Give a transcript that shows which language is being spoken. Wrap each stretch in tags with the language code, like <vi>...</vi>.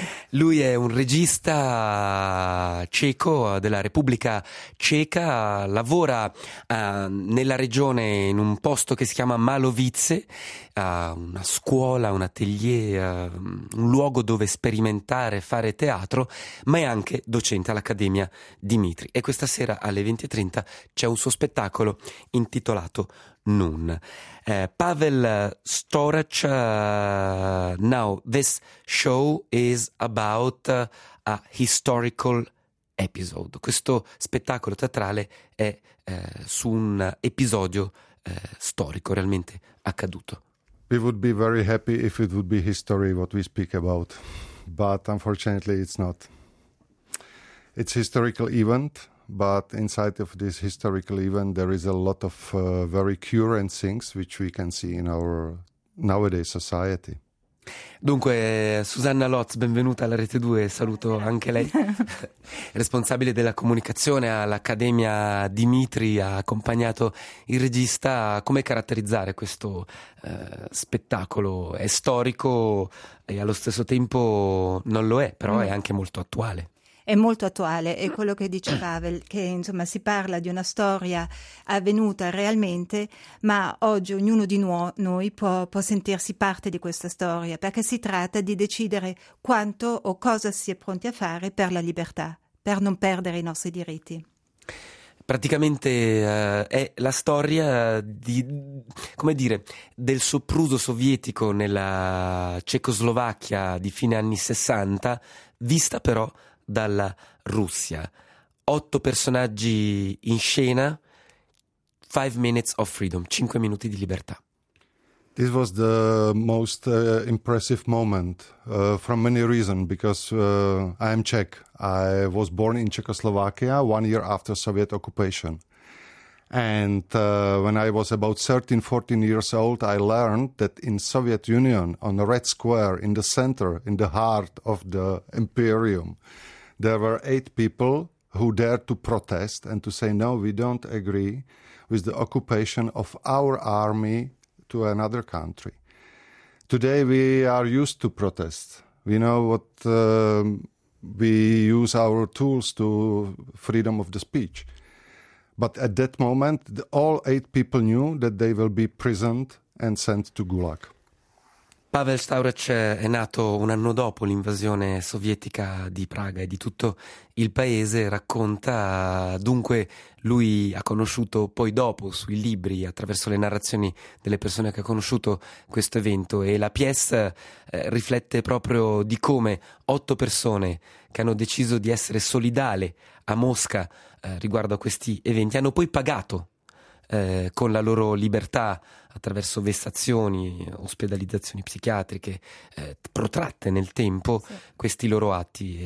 <it>Lui è un regista ceco della Repubblica Ceca, lavora nella regione in un posto che si chiama Malovice, una scuola, un atelier, un luogo dove sperimentare, fare teatro, ma è anche docente all'Accademia Dimitri. E questa sera alle 20:30 c'è un suo spettacolo intitolato Nun.</it> <en>Pavel Storac, now this show is about a historical episode.</en> <it>Questo spettacolo teatrale è su un episodio storico realmente accaduto.</it> <en>We would be very happy if it would be history what we speak about, but unfortunately it's not. It's historical event. But inside of this historical event, there is a lot of very current things which we can see in our nowadays society.</en> <it>Dunque, Susanna Lotz, benvenuta alla Rete 2, saluto anche lei, responsabile della comunicazione all'Accademia Dimitri, ha accompagnato il regista. Come caratterizzare questo spettacolo? È storico e allo stesso tempo non lo è, però è anche molto attuale. È molto attuale, è quello che dice Pavel, che insomma si parla di una storia avvenuta realmente, ma oggi ognuno di noi può sentirsi parte di questa storia, perché si tratta di decidere quanto o cosa si è pronti a fare per la libertà, per non perdere i nostri diritti. Praticamente è la storia di, come dire, del sopruso sovietico nella Cecoslovacchia di fine anni 60, vista però dalla Russia. 8 personaggi in scena,</it> <en>5 minutes of freedom,</en> <it>5 minuti di libertà.</it> <en>This was the most impressive moment from many reasons, because I am Czech. I was born in Czechoslovakia 1 year after Soviet occupation. And when I was about 13-14 years old, I learned that in Soviet Union, on the Red Square, in the center, in the heart of the imperium, there were 8 people who dared to protest and to say, no, we don't agree with the occupation of our army to another country. Today we are used to protest. We know what we use our tools to freedom of the speech. But at that moment, all 8 people knew that they will be imprisoned and sent to Gulag.</en> <it>Pavel Storac è nato un anno dopo l'invasione sovietica di Praga e di tutto il paese, racconta. Dunque lui ha conosciuto poi dopo sui libri, attraverso le narrazioni delle persone che ha conosciuto, questo evento, e la pièce riflette proprio di come 8 persone che hanno deciso di essere solidali a Mosca riguardo a questi eventi hanno poi pagato con la loro libertà attraverso vessazioni, ospedalizzazioni psichiatriche, protratte nel tempo, sì, questi loro atti.</it>